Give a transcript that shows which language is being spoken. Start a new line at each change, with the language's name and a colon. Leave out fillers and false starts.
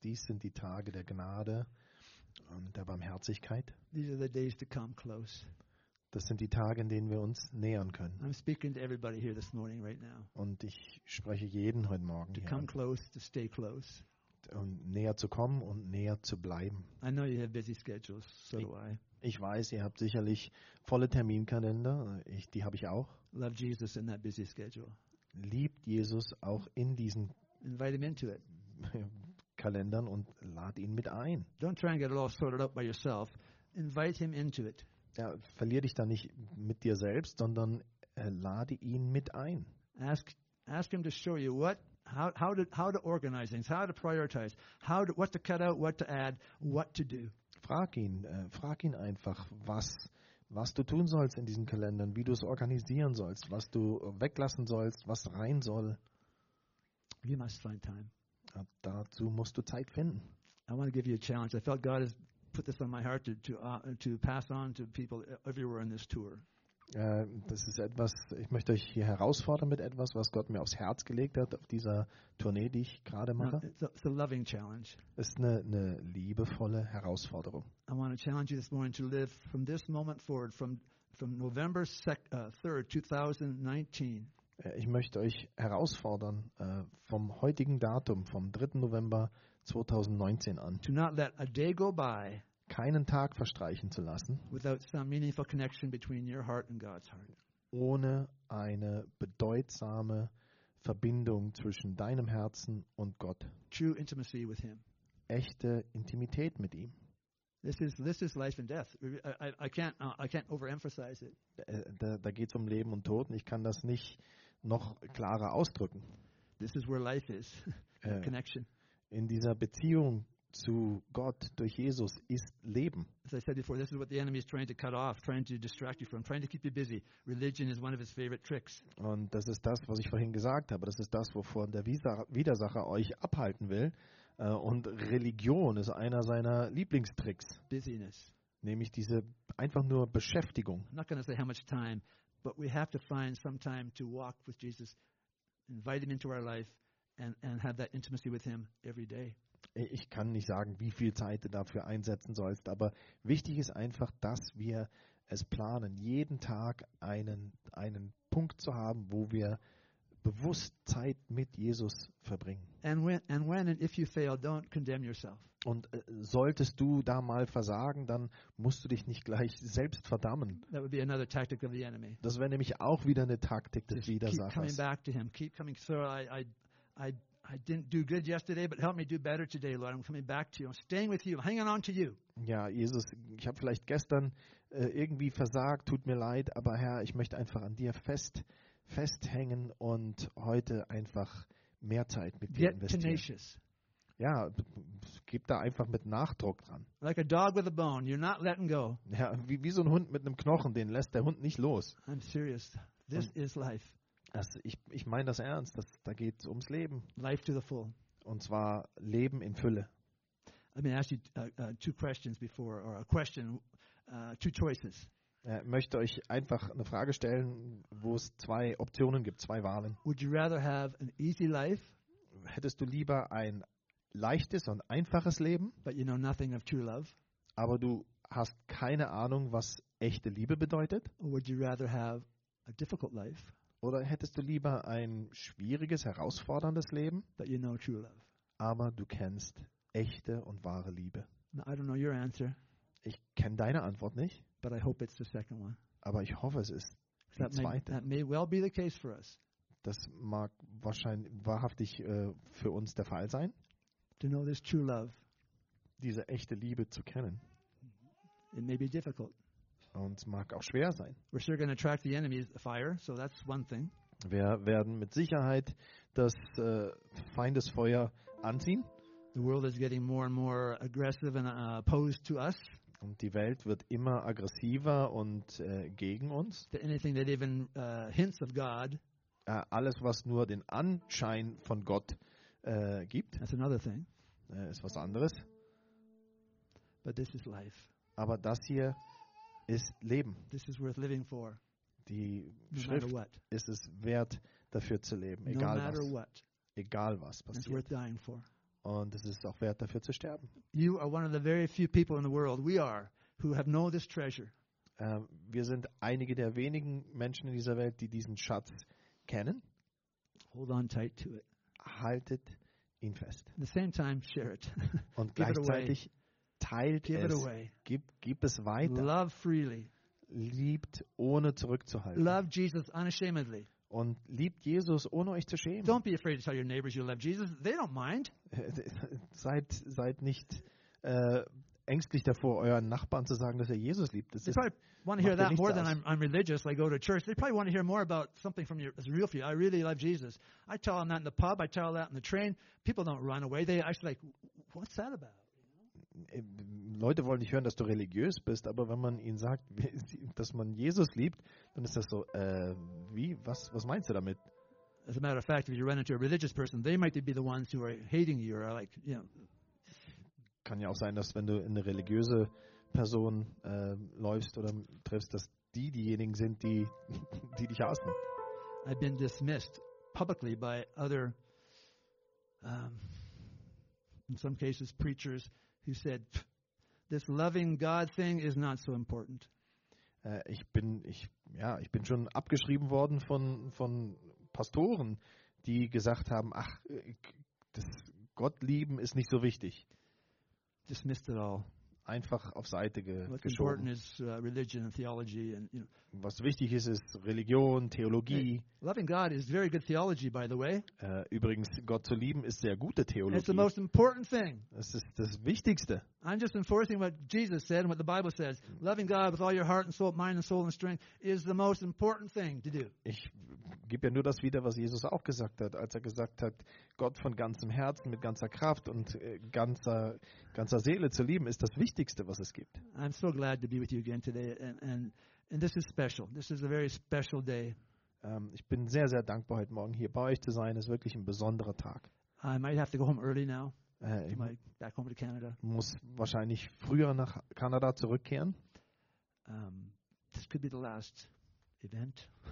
German: Dies sind die Tage der Gnade und der Barmherzigkeit.
English: These are the days to come close.
German: Das sind die Tage, in denen wir uns nähern können.
English: I'm speaking to everybody here this morning right now.
German: Und ich spreche jeden heute Morgen
English: to
German: hier.
English: Come close, to stay close.
German: Um näher zu kommen und näher zu bleiben.
English: I know you have busy schedules, so do I.
German: Ich weiß, ihr habt sicherlich volle Terminkalender. Die habe ich auch.
English: Love Jesus in that busy schedule.
German: Liebt Jesus auch in diesen
English: Invite him into it.
German: Kalendern und lad ihn mit ein.
English: Don't try and get it all sorted out by yourself. Invite him into it.
German: Ja, verlier dich da nicht mit dir selbst, sondern lade ihn mit ein.
English: Ask him to show you what, how to organize things, how to prioritize, what to cut out, what to add, what to do.
German: Frag ihn einfach, was du tun sollst in diesen Kalendern, wie du es organisieren sollst, was du weglassen sollst, was rein soll.
English: You must find time.
German: Ja, dazu musst du Zeit finden.
English: I want to give you a challenge. I felt God has put this on my heart to pass on to people everywhere in this tour.
German: Das ist etwas, ich möchte euch hier herausfordern mit etwas, was Gott mir aufs Herz gelegt hat, auf dieser Tournee, die ich gerade mache.
English: No, it's a loving challenge.
German: Es ist eine liebevolle Herausforderung.
English: I want to challenge you this morning to live from this moment forward, from November 3rd, 2019.
German: Ich möchte euch herausfordern, vom heutigen Datum, vom 3. November 2019 an,
English: do not let a day go by,
German: keinen Tag verstreichen zu lassen,
English: without some meaningful connection between your heart and God's heart.
German: Ohne eine bedeutsame Verbindung zwischen deinem Herzen und Gott.
English: True intimacy with him.
German: Echte Intimität mit ihm.
English: This is life and death. I can't overemphasize it.
German: Da geht's um Leben und Tod, und ich kann das nicht noch klarer ausdrücken.
English: This is where life is. Connection.
German: In dieser Beziehung zu Gott durch Jesus ist Leben.
English: As I said before, this is what the enemy is trying to cut off, trying to distract you from, trying to keep you busy. Religion is one of his favorite tricks.
German: Und das ist das, was ich vorhin gesagt habe. Das ist das, wovon der Widersacher euch abhalten will. Und Religion ist einer seiner Lieblingstricks.
English: Busyness.
German: Nämlich diese einfach nur Beschäftigung.
English: I'm not going to say how much time, but we have to find some time to walk with Jesus, invite him into our life and have that intimacy with him every day.
German: Ich kann nicht sagen, wie viel Zeit du dafür einsetzen sollst, aber wichtig ist einfach, dass wir es planen, jeden Tag einen Punkt zu haben, wo wir bewusst Zeit mit Jesus verbringen.
English: And when if you fail, don't condemn yourself.
German: Und solltest du da mal versagen, dann musst du dich nicht gleich selbst verdammen.
English: That would be another tactic of the enemy.
German: Das wäre nämlich auch wieder eine Taktik des Widersachers.
English: Keep coming back to him. Keep coming, sir. I didn't do good yesterday, but help me do better today, Lord. I'm coming back to you. I'm staying with you. I'm hanging on to you.
German: Ja, Jesus, ich habe vielleicht gestern irgendwie versagt. Tut mir leid, aber Herr, ich möchte einfach an dir festhängen und heute einfach mehr Zeit mit dir investieren.
English: Get tenacious.
German: Ja, gib da einfach mit Nachdruck dran.
English: Like a dog with a bone, you're not letting go.
German: Ja, wie so ein Hund mit einem Knochen, den lässt der Hund nicht los.
English: I'm serious. This is life.
German: Ich meine das ernst, da geht's ums Leben.
English: Life to the full.
German: Und zwar Leben in Fülle.
English: Let me ask you two questions before, or a question, two choices.
German: Ich möchte euch einfach eine Frage stellen, wo es zwei Optionen gibt, zwei Wahlen.
English: Would you rather have an easy life?
German: Hättest du lieber ein leichtes und einfaches Leben?
English: But you know nothing of true love.
German: Aber du hast keine Ahnung, was echte Liebe bedeutet?
English: Or would you rather have a difficult life?
German: Oder hättest du lieber ein schwieriges, herausforderndes Leben?
English: But you know true love.
German: Aber du kennst echte und wahre Liebe.
English: Now, I don't know your answer.
German: Ich kenne deine Antwort nicht.
English: But I hope it's the second one.
German: Aber ich hoffe, es ist die zweite.
English: That may well be the case for us.
German: Das mag wahrscheinlich wahrhaftig für uns der Fall sein.
English: To know this true love.
German: Diese echte Liebe zu kennen.
English: It may be difficult.
German: Und mag auch schwer sein.
English: We're sure going to attract the enemy's fire, so that's one thing.
German: Wir werden mit Sicherheit das Feindesfeuer anziehen.
English: The world is getting more and more aggressive and opposed to us.
German: Und die Welt wird immer aggressiver und gegen uns.
English: Anything that even hints of God,
German: alles, was nur den Anschein von Gott gibt.
English: That's another thing.
German: Ist was anderes.
English: But this is life.
German: Aber das hier ist Leben.
English: This is worth living for.
German: Die Schrift ist es wert, dafür zu leben, egal was. Egal was passiert.
English: It's worth dying for.
German: Und es ist auch wert, dafür zu sterben.
English: You are one of the very few people in the world we are who have known this treasure.
German: Wir sind einige der wenigen Menschen in dieser Welt, die diesen Schatz kennen.
English: Hold on tight to it.
German: Haltet ihn fest.
English: At the same time, share it.
German: Und gleichzeitig teilt
English: Give
German: es.
English: It away.
German: Gib es weiter.
English: Love freely.
German: Liebt ohne zurückzuhalten.
English: Love Jesus unashamedly.
German: Und liebt Jesus ohne euch zu schämen.
English: Don't be afraid to tell your neighbors you love Jesus. They don't mind.
German: Seid nicht ängstlich davor, euren Nachbarn zu sagen, dass ihr Jesus liebt.
English: They probably want to hear that more than I'm religious. I go to church. They probably want to hear more about something from you. It's real for you. I really love Jesus. I tell them that in the pub. I tell that in the train. People don't run away. They actually like, what's that about?
German: Leute wollen nicht hören, dass du religiös bist, aber wenn man ihnen sagt, dass man Jesus liebt, dann ist das so, was meinst du damit?
English: As a matter of fact, if you run into a religious person, they might be the ones who are hating you or like, you know.
German: Kann ja auch sein, dass wenn du in eine religiöse Person läufst oder triffst, dass die diejenigen sind, die dich hassen.
English: I've been dismissed publicly by other in some cases preachers. He said, "This loving God thing is not so important."
German: Ich bin schon abgeschrieben worden von Pastoren, die gesagt haben, ach, das Gottlieben ist nicht so wichtig.
English: Dismissed it all.
German: Einfach auf Seite geschoben.
English: What's important is religion and theology, and you know.
German: Was wichtig ist Religion, Theologie.
English: Loving God is very good theology, by the way.
German: Übrigens, Gott zu lieben ist sehr gute Theologie.
English: It's the most important thing.
German: Es ist das Wichtigste.
English: I'm just enforcing what Jesus said and what the Bible says. Loving God with all your heart and soul, mind and soul and strength is the most important thing to do.
German: Ich gebe ja nur das wieder, was Jesus auch gesagt hat, als er gesagt hat, Gott von ganzem Herzen, mit ganzer Kraft und ganzer Seele zu lieben, ist das Wichtigste, was es gibt.
English: I'm so glad to be with you again today and this is special. This is a very special day.
German: Ich bin sehr, sehr dankbar, heute Morgen hier bei euch zu sein. Es ist wirklich ein besonderer Tag.
English: I might have to go home early now. Back home to Canada.
German: Muss wahrscheinlich früher nach Kanada zurückkehren.
English: This could be the last event.